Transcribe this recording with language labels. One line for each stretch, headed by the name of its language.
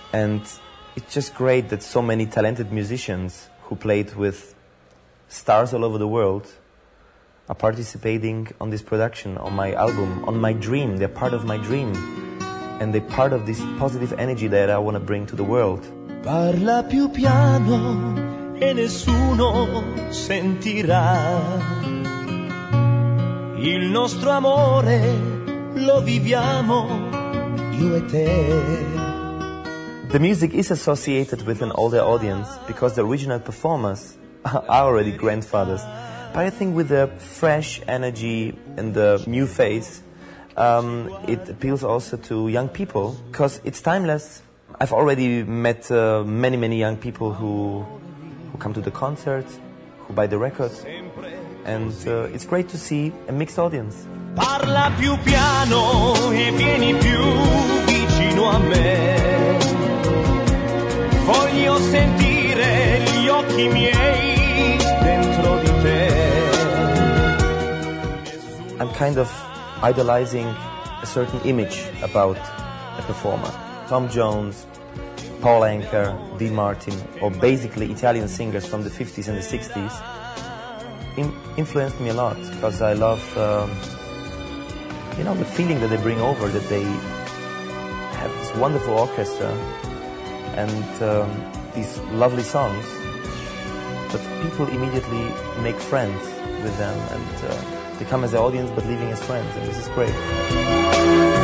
English: And it's just great that so many talented musicians who played with stars all over the world are participating on this production, on my album, on my dream. They're part of my dream. And they're part of this positive energy that I want to bring to the world.
Italian: Parla più piano. E nessuno sentirà il nostro amore, lo viviamo io e te.
English: The music is associated with an older audience because the original performers are already grandfathers. But I think with the fresh energy and the new face, it appeals also to young people because it's timeless. I've already met many young people who come to the concert, who buy the records, and it's great to see a mixed audience.
Italian: Parla più piano e vieni più vicino a me. Voglio sentire gli occhi miei dentro di te.
English: I'm kind of idolizing a certain image about a performer. Tom Jones, Paul Anka, Dean Martin, or basically Italian singers from the 50s and the 60s, influenced me a lot because I love, the feeling that they bring over, that they have this wonderful orchestra and these lovely songs, but people immediately make friends with them and they come as an audience but leaving as friends, and this is great.